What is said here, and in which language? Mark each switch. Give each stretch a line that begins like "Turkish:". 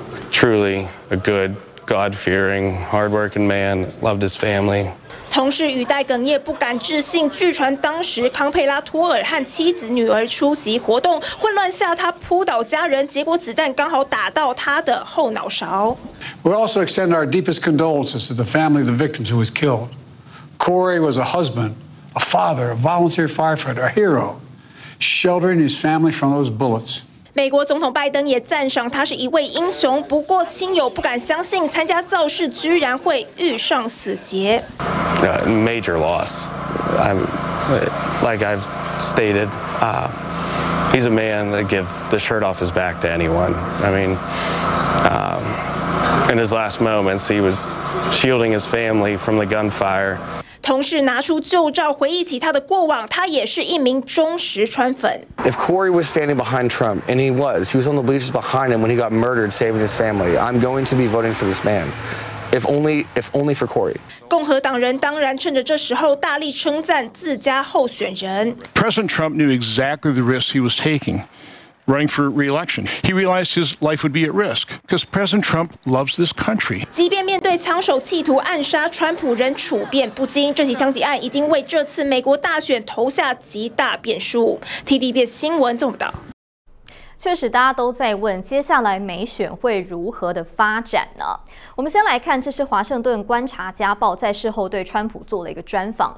English: Truly a good, God-fearing, hard-working man. Loved his family.
Chinese: 同事语带哽咽，不敢置信。据传当时康佩拉托尔和妻子女儿出席活动，混乱下他扑倒家人，结果子弹刚好打到他的后脑勺。
English: We also extend our deepest condolences to the family of the victims who was killed. Corey was a husband, a father, a volunteer firefighter, a hero, sheltering his family from those bullets.
Chinese: 美国总统拜登也赞赏他是一位英雄，不过亲友不敢相信参加造势居然会遇上死劫。
English: Major loss. Like I've stated, he's a man that give the shirt off his back to anyone. I mean, in his last moments, he was shielding his family from the gunfire.
Chinese: 同事拿出旧照，回忆起他的过往。他也是一名忠实川粉。
English: If Corey was standing behind Trump, and he was on the bleachers behind him when he got murdered, saving his family, I'm going to be voting for this man. If only for Corey.
Chinese: 共和党人当然趁着这时候大力称赞自家候选人。
English: President Trump knew exactly the risk he was taking, running for re-election. He realized his life would be at risk because President Trump loves this country.
Chinese: 即便面对枪手企图暗杀川普，仍处变不惊。这起枪击案已经为这次美国大选投下极大变数。 TVBS 新闻总导。确实，大家都在问接下来美选会如何的发展呢？我们先来看，这是华盛顿观察家报在事后对川普做了一个专访。